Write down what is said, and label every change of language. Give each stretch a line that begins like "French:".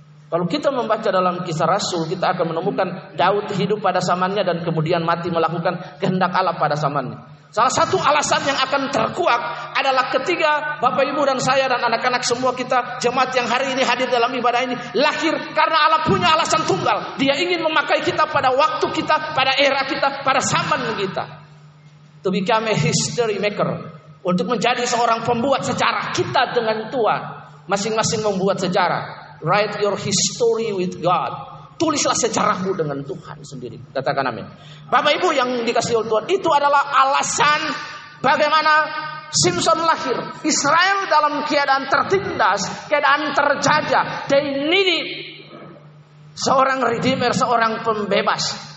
Indonesian: Kalau kita membaca dalam kisah Rasul, kita akan menemukan Daud hidup pada zamannya dan kemudian mati melakukan kehendak Allah pada zamannya. Salah satu alasan yang akan terkuak adalah ketika Bapak Ibu dan saya dan anak-anak semua kita, jemaat yang hari ini hadir dalam ibadah ini, lahir karena Allah punya alasan tunggal. Dia ingin memakai kita pada waktu kita, pada era kita, pada zaman kita.
English: To become a history maker.
Indonesian: Untuk menjadi seorang pembuat sejarah kita dengan Tuhan. Masing-masing membuat sejarah.
English: Write your history with God.
Indonesian: Tulislah sejarahmu dengan Tuhan sendiri. Katakan amin. Bapak Ibu yang dikasihi oleh Tuhan, itu adalah alasan bagaimana Simpson lahir. Israel dalam keadaan tertindas, keadaan terjajah.
English: They needed
Indonesian: seorang redeemer, seorang pembebas.